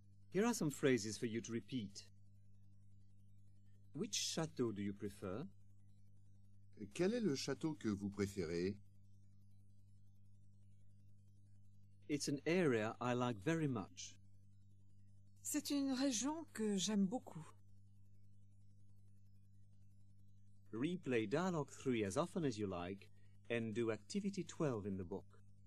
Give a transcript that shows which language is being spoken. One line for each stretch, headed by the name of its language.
English: Here are some phrases for you to repeat. Which château do you prefer?
French: Quel est le château que vous préférez?
English: It's an area I like very much.
French: C'est une région que j'aime beaucoup.
English: Replay dialogue 3 as often as you like and do activity 12 in the book.